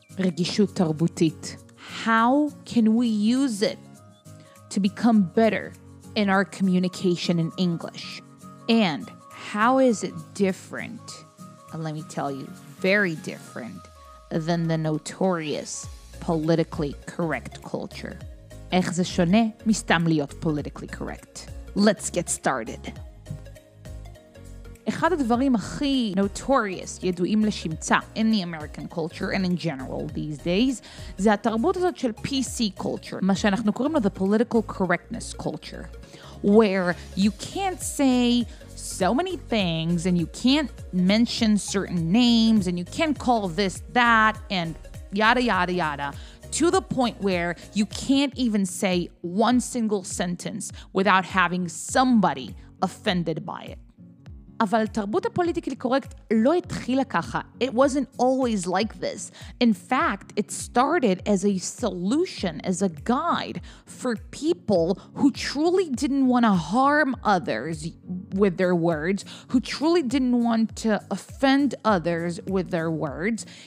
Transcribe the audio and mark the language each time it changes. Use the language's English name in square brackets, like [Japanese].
[Hebrew] רגישות תרבותית. [English] How can we use it to become better in our communication in English? And how is it different, and let me tell you, very different than the notorious politically correct culture? [Hebrew] איך זה שונה מסתם להיות [English] politically correct? Let's get started. [Hebrew] אחד הדברים הכי [English] notorious, [Hebrew] ידועים לשמצה, [English] in the American culture and in general these days, [Hebrew] זה התרבות הזאת של [English] PC culture, [Hebrew] מה שאנחנו קוראים לו [English] the political correctness culture, where you can't say so many things and you can't mention certain names and you can't call this that and yada yada yada, to the point where you can't even say one single sentence without having somebody offended by it. [Hebrew] אבל תרבות הפוליטיקלי קורקט לא התחילה ככה. [English] It wasn't always like this. In fact, it started as a solution, as a guide for people who truly didn't want to harm others with their words, who truly didn't want to offend others with their words.